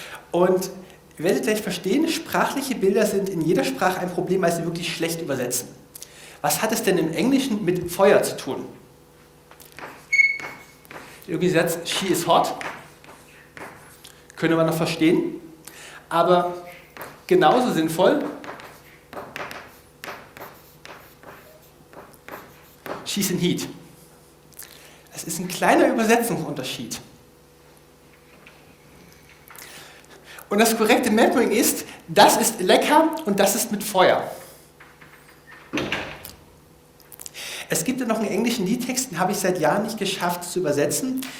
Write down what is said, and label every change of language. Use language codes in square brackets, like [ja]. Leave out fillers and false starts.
[de] Und ihr werdet gleich verstehen, sprachliche Bilder sind in jeder Sprache ein Problem, weil sie wirklich schlecht übersetzen. Was hat es denn im Englischen mit Feuer zu tun? Irgendwie sagt, [en] she is hot. [de] Könnte man noch verstehen. Aber genauso sinnvoll, [en] she's in heat. [de] Es ist ein kleiner Übersetzungsunterschied. Und das korrekte Mapping ist, das ist lecker und das ist mit Feuer. Es gibt ja noch einen englischen Liedtext, den habe ich seit Jahren nicht geschafft zu übersetzen.